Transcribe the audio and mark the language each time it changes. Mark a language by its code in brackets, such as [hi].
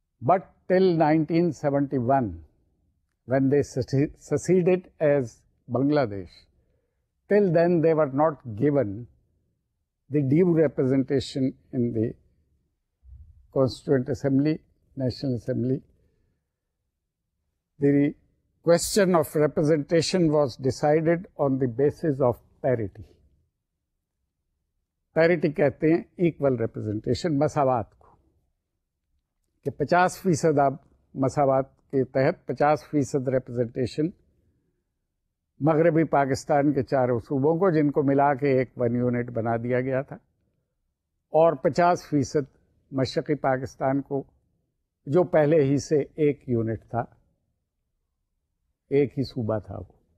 [en] But till 1971 when they seceded as Bangladesh, till then they were not given the due representation in the Constituent Assembly, National Assembly. The question of representation was decided on the basis of parity. [ur] Parity کہتے ہیں [en] equal representation, [ur] مساوات کو, کہ 50% آپ مساوات کے تحت 50% representation مغربی پاکستان کے چاروں صوبوں کو, جن کو ملا کے ایک ون یونٹ بنا دیا گیا تھا, اور 50% مشرقی پاکستان کو جو پہلے ہی سے ایک یونٹ تھا, ایک ہی صوبہ تھا وہ.